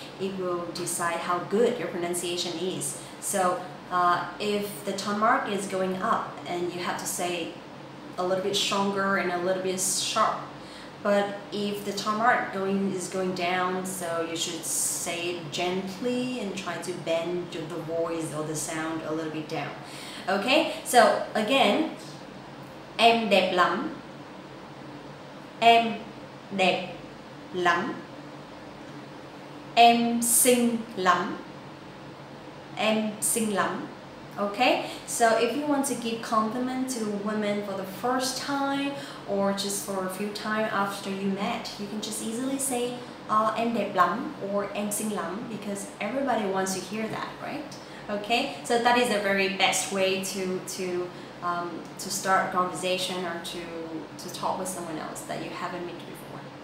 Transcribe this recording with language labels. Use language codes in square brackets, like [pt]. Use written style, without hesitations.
[en] It will decide how good your pronunciation is. So if the tone mark is going up and you have to say a little bit stronger and a little bit sharp. But if the tone mark is going down, so you should say it gently and try to bend the voice or the sound a little bit down. Okay, so again, [vi] em đẹp lắm, em đẹp lắm, em xinh lắm, em xinh lắm. [en] Okay, so if you want to give compliment to a woman for the first time or just for a few time after you met, you can just easily say [vi] em đẹp lắm [en] or [vi] em xinh lắm [en] because everybody wants to hear that, right? Okay, so that is the very best way to start a conversation or to talk with someone else that you haven't met before.